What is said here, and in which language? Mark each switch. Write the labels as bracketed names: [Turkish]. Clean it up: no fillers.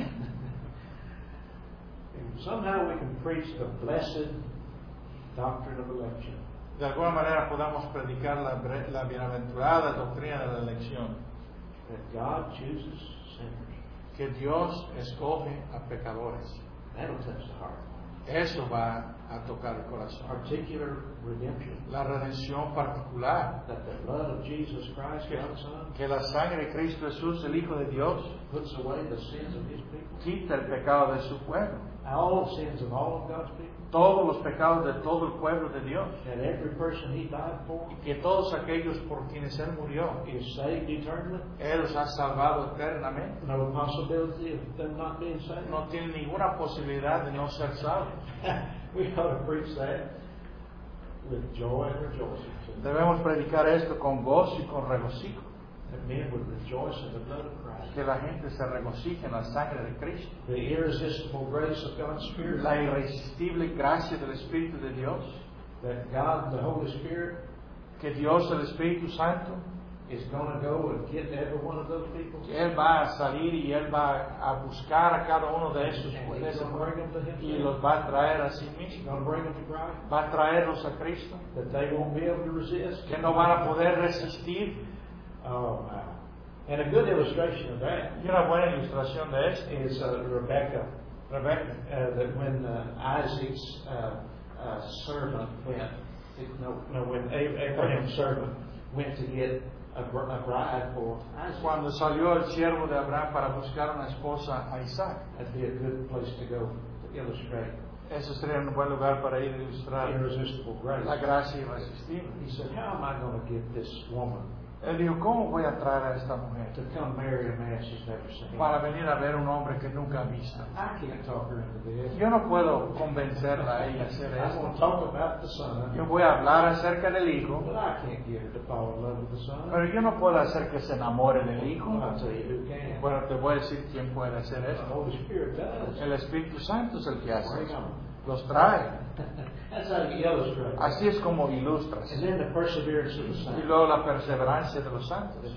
[English] And somehow we can preach the blessed doctrine of election. [Spanish] De alguna manera podamos predicar la bienaventurada doctrina de la elección. [English] That God chooses sinners. [Spanish] Que Dios escoge a pecadores. [English] That'll touch the heart. [Spanish] Eso va a tocar el corazón. [English] Particular redemption, [Spanish] la redención particular, [English] that the blood of Jesus Christ, [Spanish] que, [English] God's Son, [Spanish] que la sangre de Cristo Jesús, el Hijo de Dios, [English] puts away the sins of his people, [Spanish] quita el pecado de su pueblo. [English] All sins of all of God's people. [Spanish] Todos los pecados de todo el pueblo de Dios. [English] And every person he died for. [Spanish] Y que todos aquellos por quienes él murió. [English] Is saved eternally. [Spanish] Él los ha salvado eternamente. [English] No possibility of them not being saved. [Spanish] No tiene ninguna posibilidad de no ser salvo. [English] We ought to preach that with joy and rejoicing. [Spanish] Debemos predicar esto con gozo y con regocijo. [English] That men would rejoice in the blood of Christ. [Spanish] Que la gente se regocije en la sangre de Cristo. [English] The irresistible grace of God's Spirit. [Spanish] La irresistible gracia del Espíritu de Dios. [English] That God, the Holy Spirit, [Spanish] que Dios, el Espíritu Santo, [English] is going to go and get every one of those people. [Spanish] Que él va a salir y él va a buscar a cada uno de esos. [English] And he's going to bring them to himself. [Spanish] Y los va a traer a sí mismo. [English] He's going to bring them to Christ. [Spanish] Va a traerlos a Cristo. [English] That they won't be able to resist. [Spanish] Que no van a poder resistir. [English] Oh, and a good illustration of that. You know, one illustration [Spanish] de esto [English] is Rebecca, that when Isaac's servant went, Abraham's servant went to get a bride for Isaac. [Spanish] Cuando salió el siervo de Abraham para buscar una esposa a Isaac. [English] That'd be a good place to go to illustrate. [Spanish] Eso sería un buen lugar para ir a ilustrar. [English] Irresistible grace. [Spanish] La gracia irresistible. [English] He said, "How am I going to get this woman?" [Spanish] Él dijo, ¿cómo voy a traer a esta mujer? [English] To come marry a man she's never seen. [Spanish] Para venir a ver un hombre que nunca ha visto. [English] I can't talk her into this. [Spanish] Yo no puedo convencerla a ella hacer esto. [English] I won't talk about the son. [Spanish] Yo voy a hablar acerca del hijo. [English] But I can't get her to fall in love with the son. [Spanish] Pero yo no puedo hacer que se enamore del hijo. [English] I'll tell you who can. [Spanish] Bueno, te voy a decir quién puede hacer esto. [English] The Holy Spirit does. [Spanish] El Espíritu Santo es el que hace. [English] Bring [Spanish] esto. Los trae. [English] That's how you illustrate. [Spanish] Así es como ilustras. [English] And then the perseverance of the saints. [Spanish] Y luego la perseverancia de los santos.